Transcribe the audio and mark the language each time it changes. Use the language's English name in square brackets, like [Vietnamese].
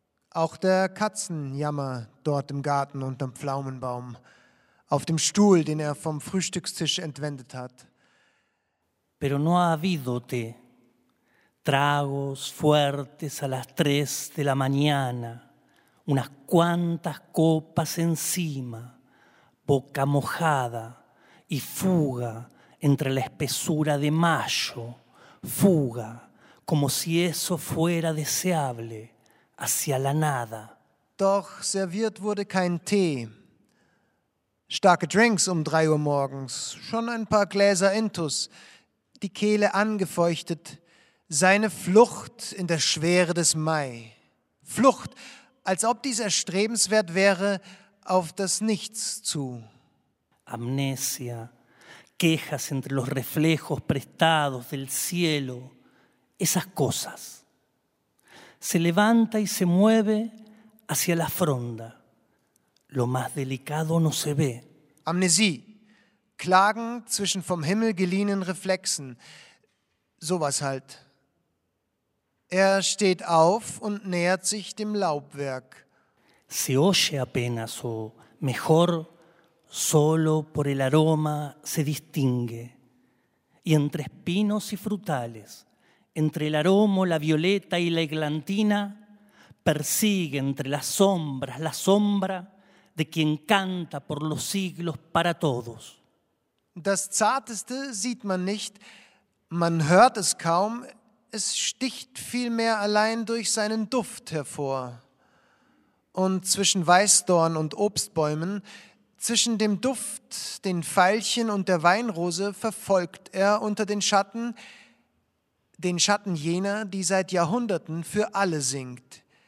[German] Auch der Katzenjammer dort im Garten unterm Pflaumenbaum, auf dem Stuhl, den er vom Frühstückstisch entwendet hat. [Spanish] Pero no ha habido té. Tragos fuertes a las 3 de la mañana, unas cuantas copas encima, boca mojada y fuga entre la espesura de mayo, fuga, como si eso fuera deseable, hacia la nada. [German] Doch serviert wurde kein Tee. Starke Drinks um 3 Uhr morgens, schon ein paar Gläser Intus, die Kehle angefeuchtet, seine Flucht in der Schwere des Mai. Flucht, als ob dies erstrebenswert wäre, auf das Nichts zu. [Spanish] Amnesia, quejas entre los reflejos prestados del cielo, esas cosas. Se levanta y se mueve hacia la fronda. Lo más delicado no se ve. [German] Amnesie, Klagen zwischen vom Himmel geliehenen Reflexen, sowas halt. Er steht auf und nähert sich dem Laubwerk. [Spanish] Se oye apenas o mejor, solo por el aroma se distingue. Y entre espinos y frutales, entre el aroma, la violeta y la eglantina, persigue entre las sombras la sombra de quien canta por los siglos para todos. [German] Das Zarteste sieht man nicht, man hört es kaum, es sticht vielmehr allein durch seinen Duft hervor. Und zwischen Weißdorn und Obstbäumen, zwischen dem Duft, den Veilchen und der Weinrose, verfolgt er unter den Schatten jener, die seit Jahrhunderten für alle singt.